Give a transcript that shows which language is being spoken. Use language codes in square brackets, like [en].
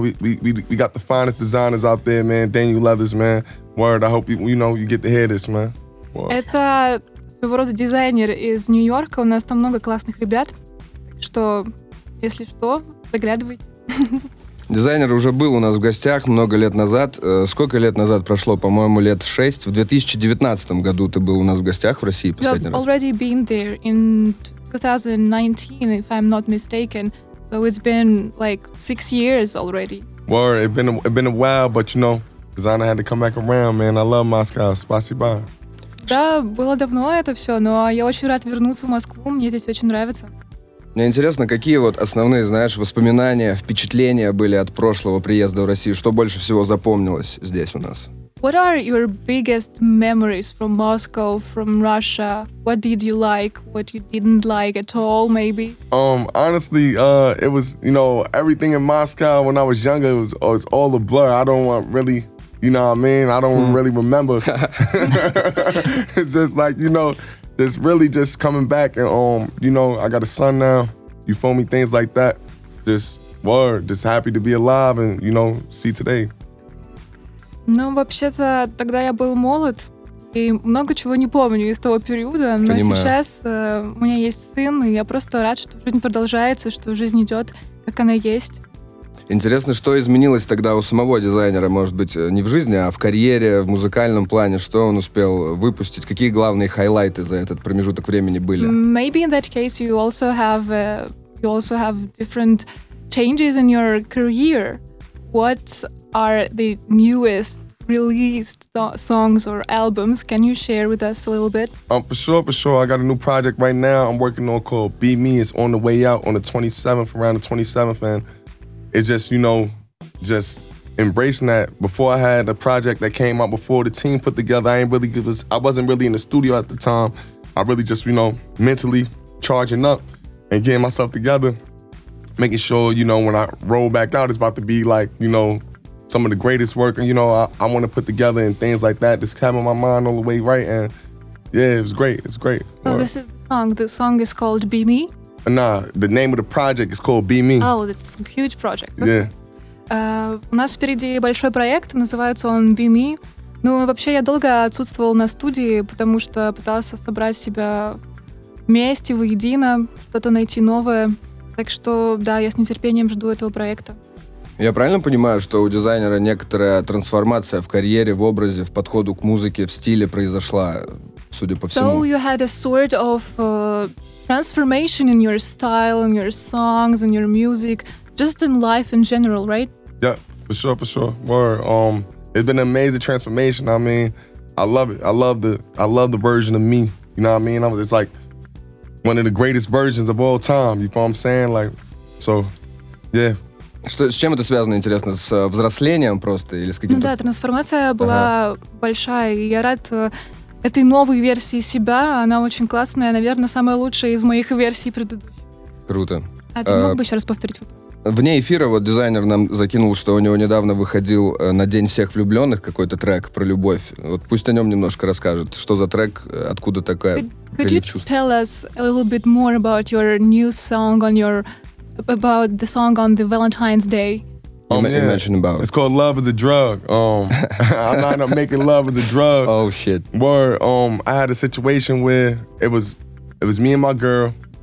[en] We got the finest designers out there, man. Daniel Leathers, man. Word, I hope you get to hear this, man. [ru] Это своего рода дизайнер из Нью-Йорка. У нас там много классных ребят. Что, если что, заглядывайте. Дизайнер уже был у нас в гостях много лет назад. Сколько лет назад прошло? По-моему, лет 6. В 2019 году ты был у нас в гостях в России последний раз. [en] You've already been there in 2019, if I'm not mistaken. So it's been like 6 years already. Well, it's been a while, but you know, designer had to come back around, man. I love Moscow. [ru] Спасибо. Да, было давно это все, но я очень рад вернуться в Москву. Мне здесь очень нравится. Мне интересно, какие вот основные, знаешь, воспоминания, впечатления были от прошлого приезда в Россию? Что больше всего запомнилось здесь у нас? [en] What are your biggest memories from Moscow, from Russia? What did you like, what you didn't like at all, maybe? Honestly, it was, you know, everything in Moscow when I was younger, it was all a blur. I don't want really, you know what I mean? I don't really remember. It's just like, you know... It's really just coming back and, you know, I got a son now. You feel me? Things like that. Just happy to be alive and, you know, see today. [ru] Ну, вообще-то, тогда я был молод и много чего не помню из того периода. Понимаю. Но сейчас у меня есть сын, и я просто рад, что жизнь продолжается, что жизнь идет, как она есть. Интересно, что изменилось тогда у самого дизайнера, может быть, не в жизни, а в карьере, в музыкальном плане, что он успел выпустить, какие главные хайлайты за этот промежуток времени были? [en] Maybe in that case you also have different changes in your career. What are the newest released songs or albums? Can you share with us a little bit? For sure. I got a new project right now I'm working on called Be Me. It's on the way out on the 27th, around the 27th, man. It's just, you know, just embracing that. Before I had a project that came out before the team put together, I wasn't really in the studio at the time. I really just, you know, mentally charging up and getting myself together, making sure, you know, when I roll back out, it's about to be like, you know, some of the greatest work, you know, I want to put together and things like that. Just having my mind all the way right. And yeah, it was great. It's great. So work. This is the song. The song is called Be Me. Nah, the name of the project is called Be Me. Oh, it's a huge project. Okay. Yeah. [ru] У нас впереди большой проект, называется он Be Me. Ну, вообще, я долго отсутствовал на студии, потому что пытался собрать себя вместе, воедино, что-то найти новое. Так что, да, я с нетерпением жду этого проекта. Я правильно понимаю, что у дизайнера некоторая трансформация в карьере, в образе, в подходу к музыке, в стиле произошла, судя по всему? [en] So you had a sort of... Transformation in your style, in your songs, in your music, just in life in general, right? Yeah, for sure. Word. It's been an amazing transformation. I mean, I love it. I love the version of me. You know what I mean? It's like one of the greatest versions of all time. You know what I'm saying? Like, so, yeah. [ru] Что, с чем это связано, интересно? С взрослением просто или с каким-то... Ну да, трансформация была большая, и я рад... этой новой версии себя, она очень классная, наверное, самая лучшая из моих версий предыдущих. Круто. А ты мог бы еще раз повторить вопрос? Вне эфира вот дизайнер нам закинул, что у него недавно выходил на День всех влюбленных какой-то трек про любовь. Вот пусть о нем немножко расскажет, что за трек, откуда такая прилив чувств. [en] Could you tell us a little bit more about your new song on your... about the song on the Valentine's Day? About. It's called Love is a Drug. I'm not making love is a drug. Oh, shit. Word. I had a situation where it was It was me and my girl.